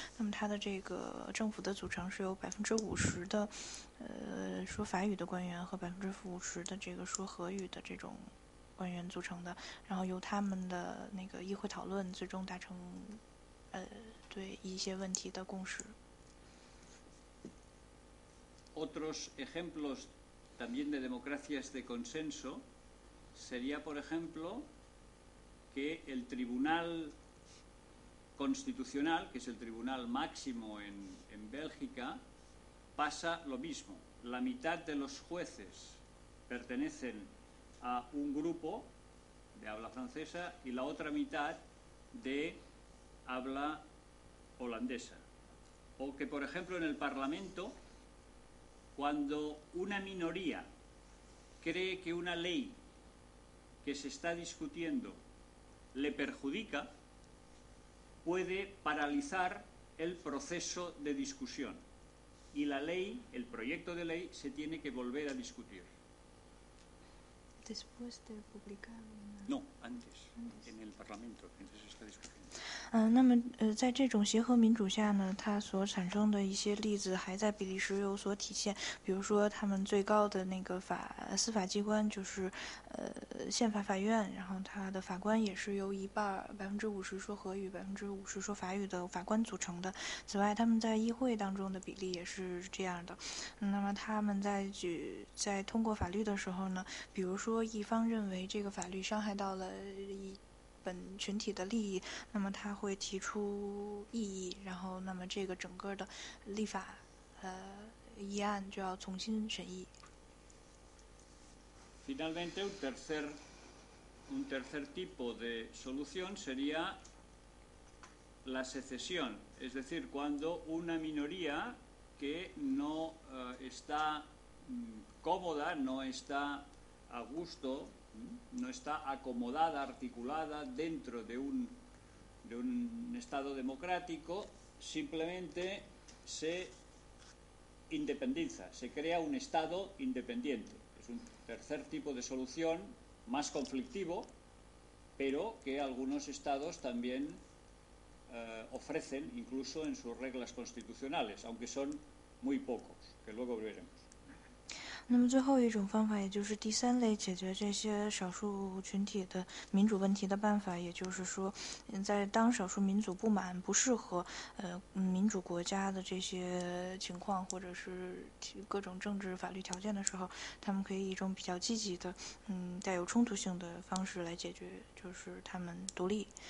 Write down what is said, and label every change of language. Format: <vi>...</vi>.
<zh>那么它的这个政府的组成是由50%的说法语的官员和50%的这个说荷语的这种官员组成的，然后由他们的那个议会讨论，最终达成对一些问题的共识。</zh> <es>Otros ejemplos también de democracias de consenso sería, por ejemplo, que el Tribunal Constitucional, que es el tribunal máximo en Bélgica, pasa lo mismo. La mitad de los jueces pertenecen a un grupo de habla francesa y la otra mitad de habla holandesa. O que, por ejemplo, en el Parlamento, cuando una minoría cree que una ley que se está discutiendo le perjudica, puede paralizar el proceso de discusión y la ley, el proyecto de ley, se tiene que volver a discutir. Después de publicar No, antes, en el Parlamento, mientras se está discutiendo.</es> <zh>那么在这种协和民主下呢，它所产生的一些例子还在比利时有所体现。比如说，他们最高的那个司法机关就是宪法法院，然后它的法官也是由50%说荷语、50%说法语的法官组成的。此外，他们在议会当中的比例也是这样的。那么他们在通过法律的时候呢，比如说一方认为这个法律伤害到了本群体的利益，那么他会提出异议，然后那么这个整个的立法议案就要重新审议。</zh> <es>Finalmente, un tercer tipo de solución sería la secesión, es decir, cuando una minoría que no está cómoda, no está a gusto, no está acomodada, articulada dentro de un estado democrático, simplemente se independiza, se crea un estado independiente. Es un tercer tipo de solución más conflictivo, pero que algunos estados también ofrecen, incluso en sus reglas constitucionales, aunque son muy pocos, que luego veremos.</es> <zh>那么最后一种方法，也就是第三类解决这些少数群体的民主问题的办法，也就是说，在当少数民族不满、不适合民主国家的这些情况，或者是各种政治法律条件的时候，他们可以以一种比较积极的、带有冲突性的方式来解决，就是他们独立。</zh>